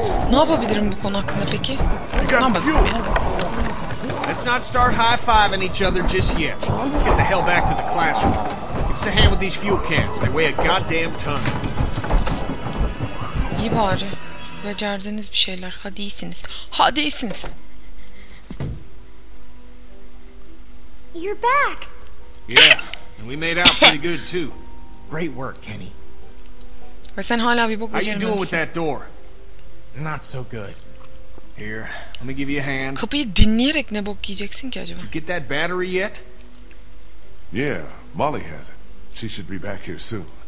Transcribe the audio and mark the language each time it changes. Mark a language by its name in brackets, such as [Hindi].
[Turkish] Ne yapabilirim bu konu hakkında peki? Ne yapabilirim? [English] Let's not start high-fiving each other just yet. Let's get the hell back to the classroom. Give us a hand with these fuel cans. They weigh a goddamn ton. [Turkish] İyi bari. Becerdiğiniz bir şeyler. Hadi iyisiniz. Hadi iyisiniz. [English] You're back. Yeah, and we made out pretty good too. Great work, Kenny. [Turkish] Ve sen hala bir bok becerememişsin. [English] How you doing with that door? Not so good. Here, let me give you a hand. [Turkish] Kapıyı dinleyerek ne bok yiyeceksin ki acaba? [English] Did you get that battery yet? Yeah, Molly has it. She should be back here soon.